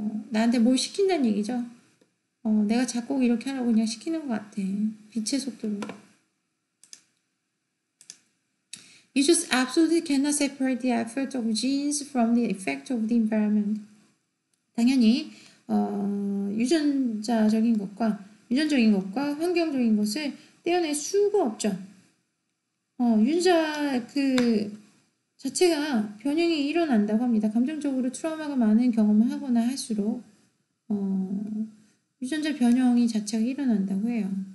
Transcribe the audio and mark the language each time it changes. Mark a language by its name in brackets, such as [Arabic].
[Korean] 나한테 뭘 시킨다는 얘기죠. 내가 작곡 이렇게 하라고 그냥 시키는 것 같아. 빛의 속도로. [English] You just absolutely cannot separate the effect of genes from the effect of the environment. [Korean] 당연히 유전자적인 것과 유전적인 것과 환경적인 것을 떼어낼 수가 없죠. 유전자 그 자체가 변형이 일어난다고 합니다. 감정적으로 트라우마가 많은 경험을 하거나 할수록 유전자 변형이 자체가 일어난다고 해요.